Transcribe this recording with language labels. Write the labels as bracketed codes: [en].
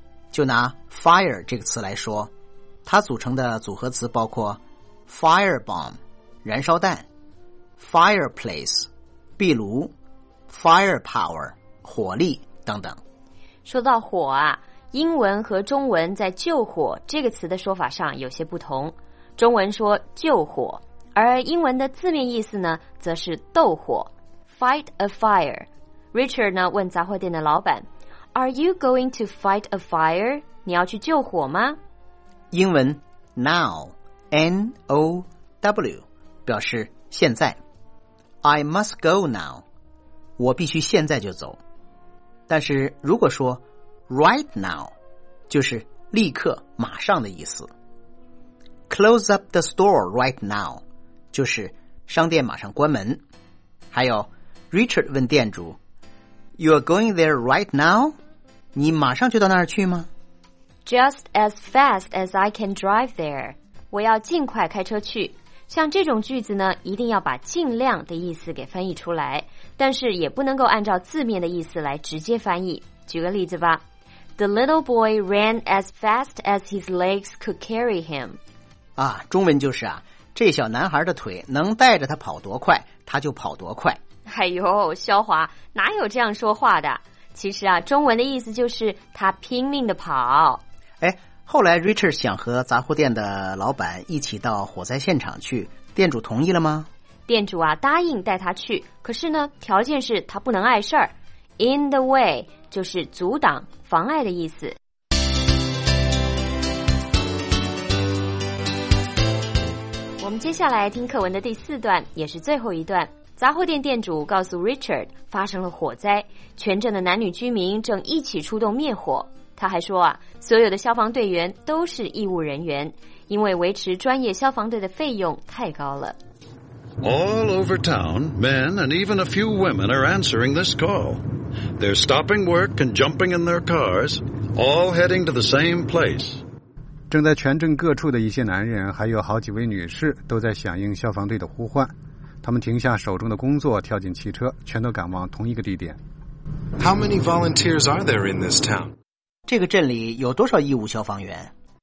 [zh] 就拿 fire 这个词来说，它组成的组合词包括 firebomb 燃烧弹、 fireplace 壁炉、 firepower 火力等等。说到火啊，英文和中文在救火这个词的说法上有些不同，中文说救火，而英文的字面意思呢，则是斗火 , [en] fight a fire。 Richard [zh] 呢，问杂货店的老板 [en] ,Are you going to fight a fire? [zh] 你要去救火吗？英文 now, N-O-W, 表示现在。 [en] I must go now, [zh] 我必须现在就走。但是如果说 right now, 就是立刻马上的意思。 [en] Close up the store right now, [zh] 就是商店马上关门。还有 Richard 问店主 [en] You are going there right now? [zh] 你马上就到那儿去吗？ [en] Just as fast as I can drive there, [zh] 我要尽快开车去。像这种句子呢，一定要把尽量的意思给翻译出来，但是也不能够按照字面的意思来直接翻译。举个例子吧， [en] The little boy ran as fast as his legs could carry him. [zh] 啊，中文就是啊，这小男孩的腿能带着他跑多快他就跑多快。哎呦，萧华，哪有这样说话的？其实啊，中文的意思就是他拼命的跑。哎，后来 Richard 想和杂货店的老板一起到火灾现场去，店主同意了吗？店主啊，答应带他去，可是呢，条件是他不能碍事儿。 In the way 就是阻挡妨碍的意思。我们接下来听课文的第四段，也是最后一段。杂货店店主告诉 Richard 发生了火灾，全镇的男女居民正一起出动灭火。他还说啊，所有的消防队员都是义务人员，因为维持专业消防队的费用太高了。 [en] All over town, men and even a few women are answering this call. They're stopping work and jumping in their cars, all heading to the same place. [zh] 正在全镇各处的一些男人还有好几位女士都在响应消防队的呼唤，他们停下手中的工作，跳进汽车，全都赶往同一个地点。 [en] How many volunteers are there in this town? [zh] 这个镇里有多少义务消防员？